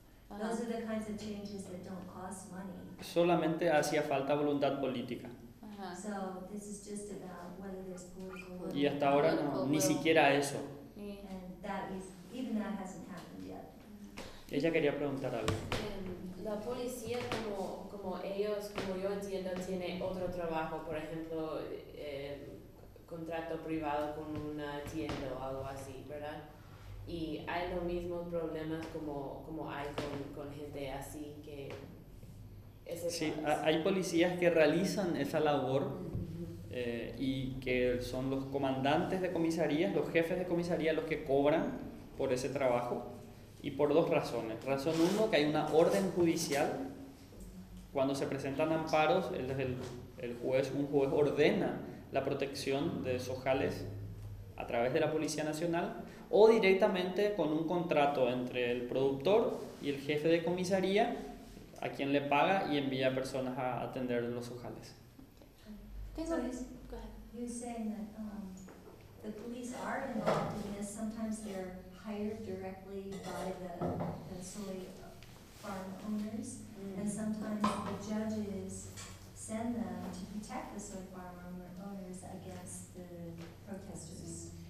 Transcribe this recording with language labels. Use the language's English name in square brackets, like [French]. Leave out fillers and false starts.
[English] Those are the kinds of changes that don't cost money. [Spanish] Solamente hacía falta voluntad política. [English] So this is just about whether there's political. [Spanish] Y hasta ahora no, ni siquiera eso. [English] And that is, even that hasn't happened yet. [Spanish] Ella quería preguntar algo. La policía, como ellos, como yo entiendo, tiene otro trabajo, por ejemplo, contrato privado con una tienda o algo así, ¿verdad? Y hay los mismos problemas como hay con gente así que... Sí, hay policías que realizan esa labor y que son los comandantes de comisarías, los jefes de comisaría los que cobran por ese trabajo y por dos razones. Razón uno, que hay una orden judicial. Cuando se presentan amparos, un juez ordena la protección de esos jales a través de la Policía Nacional, o directamente con un contrato entre el productor y el jefe de comisaría, a quien le paga y envía personas a atender los ojales. [English] So you're saying that the police are involved in this. Sometimes they're hired directly by the soy farm owners, and sometimes the judges send them to protect the soy farm owners against the protesters.